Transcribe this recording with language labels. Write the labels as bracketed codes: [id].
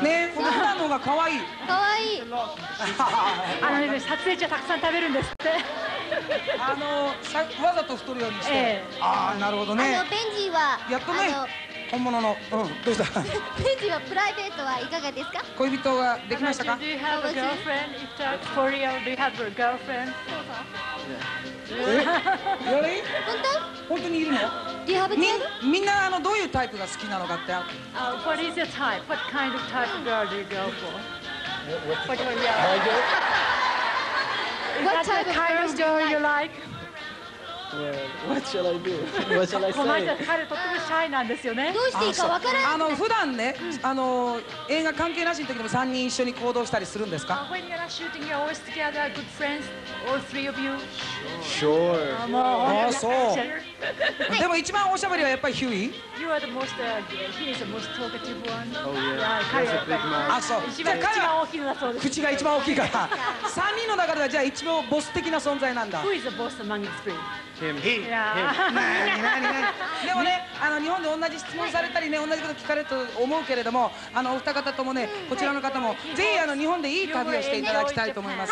[ja] ね、フォンダの方が可愛い。可愛い。あのね、撮影中たくさん食べるんですって。あのさ、わざと太るようにして。ああ、なるほどね。あのベンジーはやっとね、本物の、うん、どうした。ベンジーはプライベートはいかがですか。恋人ができましたか。 [en] Do you have a girlfriend? If that's for real, do you have a girlfriend? really? [ja] 本当？本当にいるの？ [en] Do you have a girlfriend? [ja] みんなあのどういうタイプが好きなのかって。 [en] What is your type? What kind of type of girl do you go for? What type of girl do you like? What shall I do? What shall I say? [ja] この間彼とても shy なんですよね。どうしていいかわからない。あの普段ね、あの映画関係なしの時でも3人一緒に行動したりするんですか。 [en] When you're shooting, you're always together, good friends, all three of you. Sure. [ja] ああそう。でも一番おしゃべりはやっぱりヒューイ。 [en] You are the most, he is the most talkative one. Oh yeah. [ja] ああそう。じゃあ一番大きいだそうです。口が一番大きいから。三人の中ではじゃあ一番ボス的な存在なんだ。 [en] Who is the boss among the three? [ja] でもね、あの日本で同じ質問されたりね、同じこと聞かれると思うけれども、あのお二方ともね、こちらの方もぜひあの日本でいい旅をしていただきたいと思います。